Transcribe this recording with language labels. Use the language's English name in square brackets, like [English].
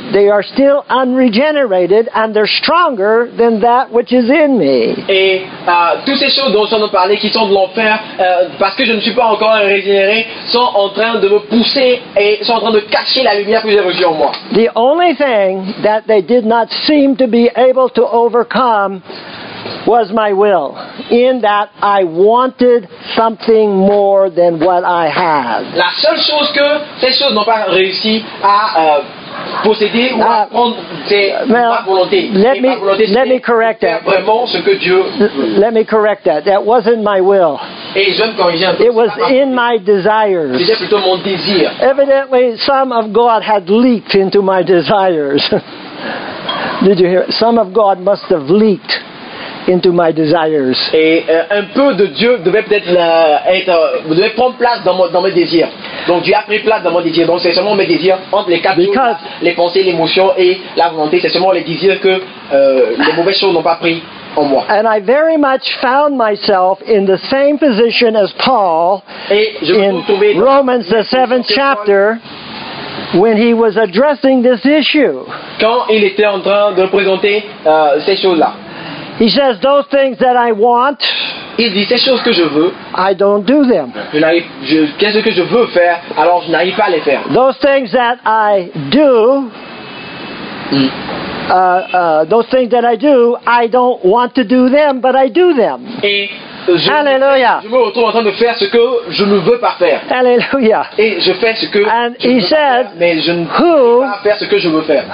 [English] They are still unregenerated and they're stronger than that which is in me. [French] Et toutes ces choses dont on a parlé qui sont de l'enfer, parce que je ne suis pas encore régénéré, sont en train de me pousser et sont en train de cacher la lumière que j'ai reçue. [English] The only thing that they did not seem to be able to overcome was my will, in that I wanted something more than what I had. [French] La seule chose que ces choses n'ont pas réussi à posséder ou à prendre, c'est ma volonté. [English] Let me correct that. That wasn't my will. [French] Et je vais me corriger un peu. [English] It was in my desires. [French] C'était plutôt mon désir. [English] Evidently, some of God had leaked into my desires. Did you hear? Some of God must have leaked into my desires. [French] Et un peu de Dieu devait peut-être devait prendre place dans mes désirs. Donc Dieu a pris place dans mon désir. Donc c'est seulement mes désirs entre les quatre choses, les pensées, l'émotion et la volonté. C'est seulement les désirs que les mauvaises choses n'ont pas pris en moi. [English] And I very much found myself in the same position as Paul in Romans, the 7th chapter, when he was addressing this issue. [French] Quand il était en train de présenter ces choses-là. [English] He says, those things that I want, [French] il dit, ces choses que je veux, [English] I don't do them. [French] Qu'est-ce que je veux faire, alors je n'arrive pas à les faire. [English] Those things that I do, those things that I do, I don't want to do them, but I do them. [French] Et Hallelujah. Je me retrouve en train de faire ce que je ne veux pas faire. Hallelujah. Et je fais ce que [English] And [French] je veux [English] said, [French] pas faire, mais je ne [English] who, [French] peux pas faire ce que je veux faire.